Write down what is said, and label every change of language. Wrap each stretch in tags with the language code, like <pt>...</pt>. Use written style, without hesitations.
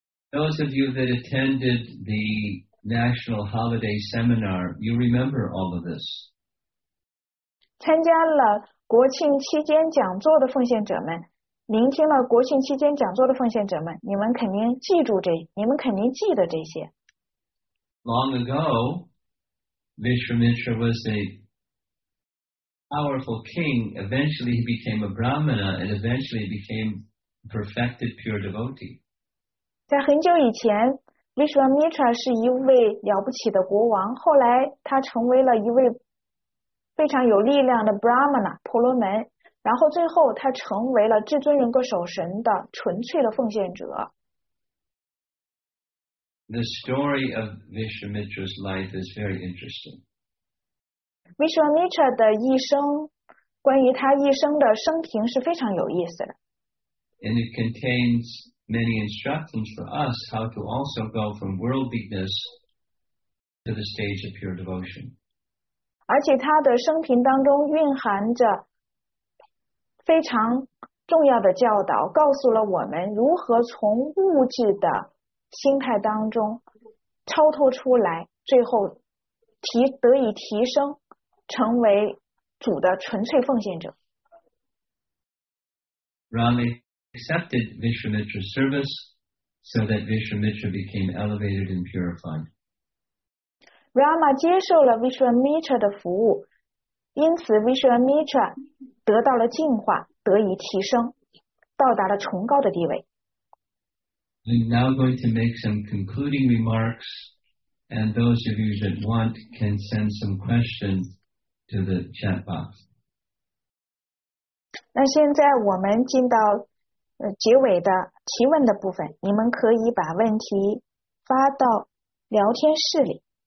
<en>Those of you that attended the National Holiday Seminar, you remember all of this.</en> <zh>参加了国庆期间讲座的奉献者们，聆听了国庆期间讲座的奉献者们，你们肯定记住这，你们肯定记得这些。</zh> <en>Long ago, Vishwamitra was a powerful king. Eventually, he became a brahmana, and eventually became perfected pure devotee.</en> <zh>在很久以前 ，Vishwamitra 是一位了不起的国王，后来他成为了一位非常有力量的 brahmana 婆罗门。然后最后他成为了至尊人格守神的纯粹的奉献者。</zh> <en>The story of Vishwamitra's life is very interesting.</en> <zh>Vishwamitra 的一生，关于他一生的生平是非常有意思的。</zh> <en>And it contains many instructions for us how to also go from worldliness to the stage of pure devotion.</en> <zh>而且他的生平当中蕴含着非常重要的教导，告诉了我们如何从物质的心态当中超脱出来，最后得以提升，成为主的纯粹奉献者。</zh> <en>Rama accepted Vishwamitra's service so that Vishwamitra became elevated and purified.</en> <zh>Rama 接受了 Vishwamitra 的服务，因此 Vishwamitra得到了净化，得以提升，到达了崇高的地位。</zh> <en>I'm now going to make some concluding remarks, and those of you that want can send some questions to the chat box.</en> <zh>那现在我们进到结尾的提问的部分，你们可以把问题发到聊天室里。</zh>